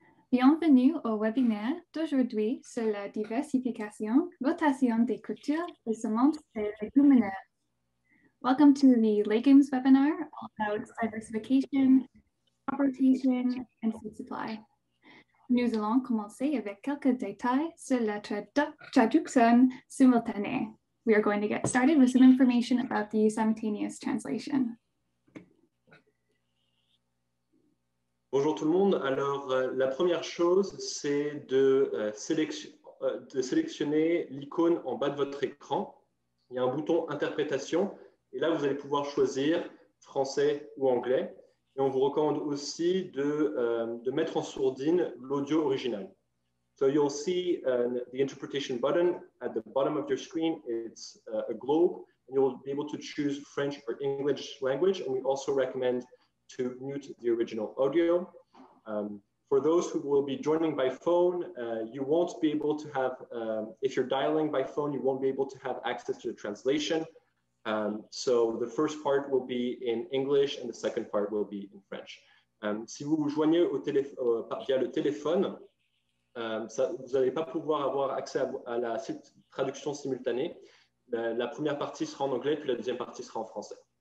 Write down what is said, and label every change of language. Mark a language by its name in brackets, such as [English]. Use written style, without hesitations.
[French] Bienvenue au webinaire d'aujourd'hui sur la diversification, rotation des cultures des semences et légumineuses. [English] Welcome to the legumes webinar about diversification, crop rotation and food supply. [French] Nous allons commencer avec quelques détails sur la traduction simultanée. [English] We are going to get started with some information about the simultaneous translation. [French] Bonjour tout le monde. Alors, la première chose, c'est de sélectionner l'icône en bas de votre écran. Il y a un bouton interprétation et là, vous allez pouvoir choisir français ou anglais. Et on vous recommande aussi de mettre en sourdine l'audio original. [English] So you'll see the interpretation button at the bottom of your screen. It's a globe and you'll be able to choose French or English language. And we also recommend to mute the original audio. For those who will be joining by phone, you won't be able to have, if you're dialing by phone, you won't be able to have access to the translation. So the first part will be in English and the second part will be in French. [French] Si vous vous joignez via le téléphone, vous n'allez pas pouvoir avoir accès à la traduction simultanée. La première partie sera en anglais, puis la deuxième partie sera en français.